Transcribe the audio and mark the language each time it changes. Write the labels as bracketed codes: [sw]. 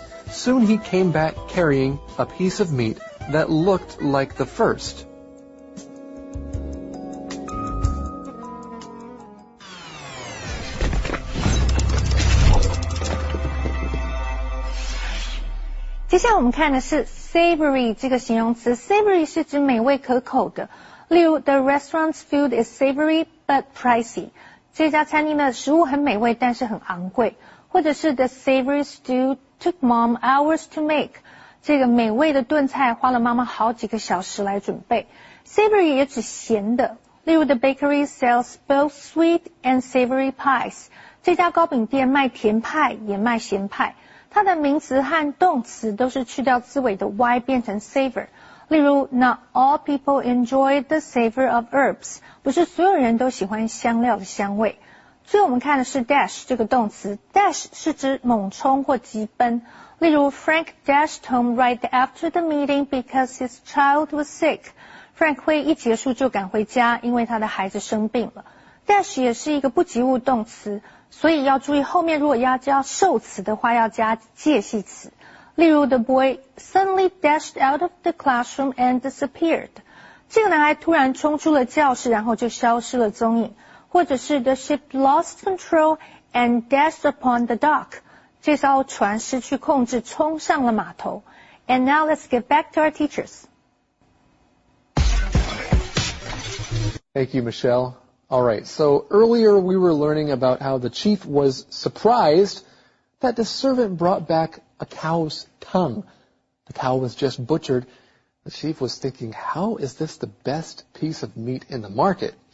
[en] Soon he came back carrying a piece of meat that looked like the first. Next, we're going to look at savory. [zh] This 形容词 savory 是指美味可口的。例如 [en] the restaurant's food is savory but pricey. [zh] 这家餐厅的食物很美味，但是很昂贵。或者是 [en] the savory stew took mom hours to make. [zh] 这个美味的炖菜花了妈妈好几个小时来准备。 Savory 也指咸的。 [en] 例如 the bakery sells both sweet and savory pies. [zh] 这家糕饼店卖甜派也卖咸派。它的名词和动词都是去掉字尾的 y 变成 savor。 [en] 例如 not all people enjoy the savor of herbs. [zh] 不是所有人都喜欢香料的香味。所以我们看的是 dash 这个动词 dash 是指猛冲或急奔例如 [en] Frank dashed home right after the meeting because his child was sick [zh] Frank 会一结束就赶回家因为他的孩子生病了 dash 也是一个不及物动词所以要注意后面如果要加受词的话要加介系词例如 [en] the boy suddenly dashed out of the classroom and disappeared [zh] 这个男孩突然冲出了教室然后就消失了踪影或者是 [en] the ship lost control and dashed upon the dock. [zh] 这艘船失去控制冲上了码头。 [en] And now let's get back to our teachers. Thank you, Michelle. All right, so earlier we were learning about how the chief was surprised that the servant brought back a cow's tongue. The cow was just butchered. The chief was thinking, how is this the best piece of meat in the market?